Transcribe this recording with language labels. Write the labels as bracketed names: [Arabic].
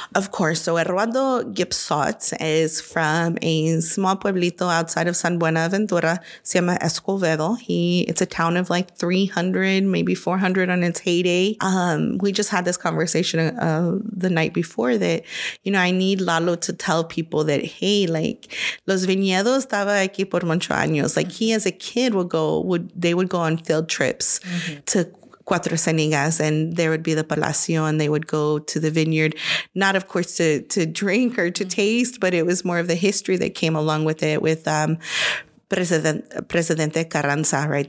[English] Of course. So Eduardo Guipzot is from a small pueblito outside of San Buenaventura. [Spanish] Se llama Escovedo. [English] It's a town of like 300, maybe 400 on its heyday. We just had this conversation the night before that, you know, I need Lalo to tell people that, hey, like, [Spanish] Los Viñedos estaba aquí por muchos años. [English] Like, he as a kid would go on field trips to Cuatro Cenigas, and there would be the Palacio, and they would go to the vineyard, not of course to drink or to taste, but it was more of the history that came along with it, with Presidente Carranza, right?